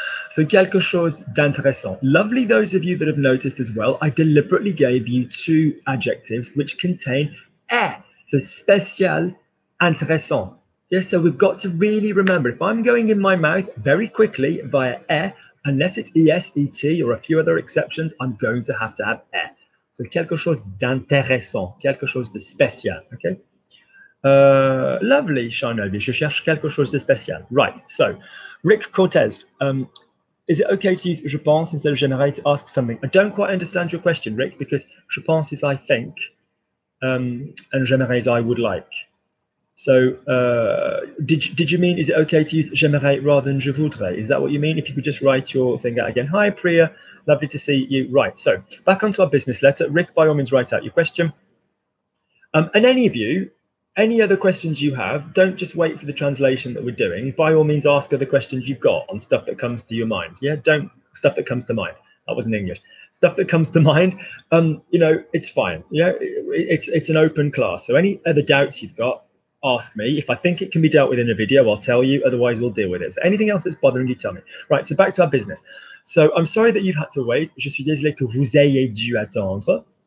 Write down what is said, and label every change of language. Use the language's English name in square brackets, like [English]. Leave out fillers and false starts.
[English] So [French] quelque chose d'intéressant. [English] Lovely, those of you that have noticed as well, I deliberately gave you 2 adjectives which contain air. So [French] spécial, intéressant. [English] Yes, so we've got to really remember, if I'm going in my mouth very quickly via air, unless it's E-S-E-T or a few other exceptions, I'm going to have air. [French] So quelque chose d'intéressant, quelque chose de spécial, okay? Lovely, Shinobi, je cherche quelque chose de spécial. [English] Right, so, Rick Cortez, is it okay to use je pense instead of j'aimerais to ask something? I don't quite understand your question, Rick, because je pense is I think, and j'aimerais is I would like. So, did you mean, is it okay to use j'aimerais rather than je voudrais? Is that what you mean? If you could just write your thing out again. Hi, Priya. Lovely to see you. Right, so back onto our business letter. Rick, by all means, write out your question. And any of you, any other questions you have, don't just wait for the translation that we're doing. By all means, ask other questions you've got on stuff that comes to your mind. Yeah, don't, stuff that comes to mind. That wasn't English. Stuff that comes to mind, you know, it's fine. Yeah, it's an open class. So any other doubts you've got, ask me. If I think it can be dealt with in a video, I'll tell you. Otherwise, we'll deal with it. So anything else that's bothering you, tell me. Right, so back to our business. So I'm sorry that you've had to wait. [French] Je suis désolé que vous ayez dû attendre.